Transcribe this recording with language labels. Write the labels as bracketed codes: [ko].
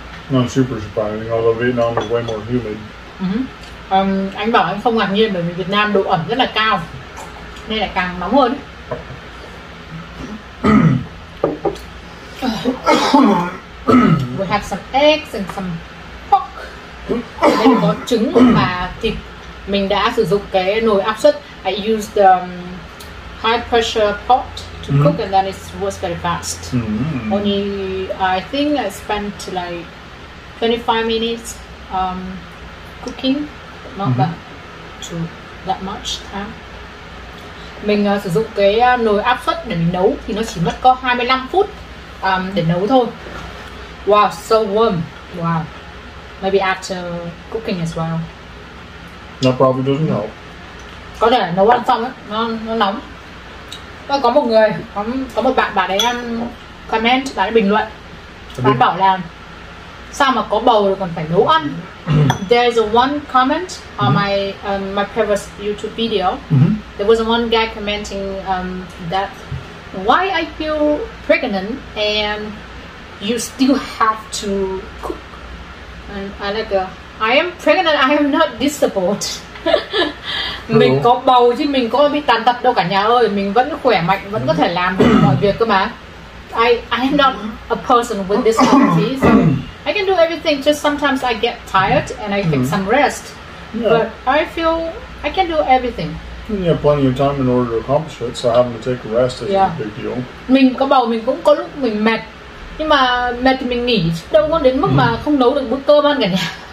[en] I'm super surprising, although Vietnam is way more humid. [vi] Anh bảo anh không ngạc nhiên bởi vì Việt Nam độ ẩm rất là cao. Nên là càng nóng hơn. [en] We have some eggs and some pork. [vi] Đây có trứng và thịt. Mình đã sử dụng cái nồi áp suất. [en] I used the high pressure pot to cook and then it was very fast. Only I think I spent like 25 minutes cooking, not that much time. [vi] Mình sử dụng cái nồi áp suất để mình nấu thì nó chỉ mất có 25 phút để nấu thôi. [en] Wow, so warm. Wow. Maybe after cooking as well. That probably doesn't help. [vi] Có thể nấu ăn xong ấy, nó nóng. Tôi có một người, có một bạn, bạn ấy comment, bạn ấy bình luận. Bạn bảo là sao mà có bầu rồi còn phải nấu ăn. [en] There is one comment on my previous YouTube video. There was one guy commenting that why I feel pregnant and you still have to cook. And I like I am pregnant, I am not disabled. [vi] Mình có bầu chứ mình có bị tàn tật đâu cả nhà ơi. Mình vẫn khỏe mạnh, vẫn có thể làm được mọi việc cơ mà. [en] I am not a person with disability. So I can do everything, just sometimes I get tired and I take some rest. Yeah. But I feel I can do everything. You have plenty of time in order to accomplish it, so having to take a rest isn't a big deal. [vi] Mình có bầu mình cũng có lúc mình mệt. Nhưng mà mệt thì mình nghỉ, đâu có đến mức mà không nấu được bữa cơm ăn cả nhà.